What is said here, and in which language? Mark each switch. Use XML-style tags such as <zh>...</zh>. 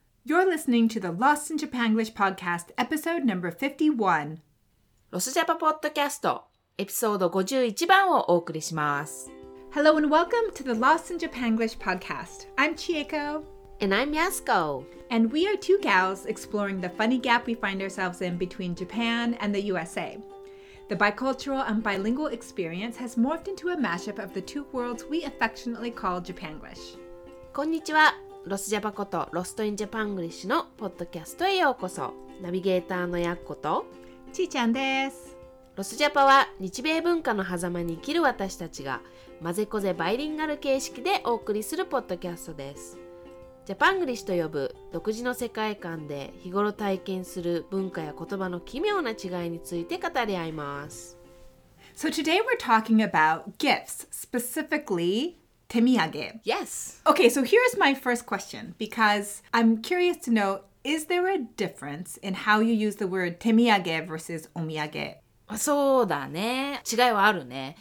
<en>You're listening to the Lost in Japanglish podcast, episode number 51.</en> <ja>ロスジャパポッドキャスト、エピソード51番をお送りします。</ja> <en>Hello and welcome to the Lost in Japanglish podcast. I'm Chieko. And I'm Yasuko. And we are two gals exploring the funny gap we find ourselves in between Japan and the USA. The bicultural and bilingual experience has morphed into a mashup of the two worlds we affectionately call Japanglish.</en> <ja>こんにちは。ロスジャパことロストインジャパングリッシュのポッドキャストへようこそ。ナビゲーターのやっことちーちゃんです。ロスジャパは日米文化の狭間に生きる私たちがまぜこぜバイリンガル形式でお送りするポッドキャストです。ジャパングリッシュと呼ぶ独自の世界観で日頃体験する文化や言葉の奇妙な違いについて語り合います。</ja> <en>So today we're talking about gifts, specifically temiyage. Yes. Okay, so here's my first question, because I'm curious to know, is there a difference in how you use the word temiyage versus omiyage?</en> <ja>そうだね。違いはあるね。</ja>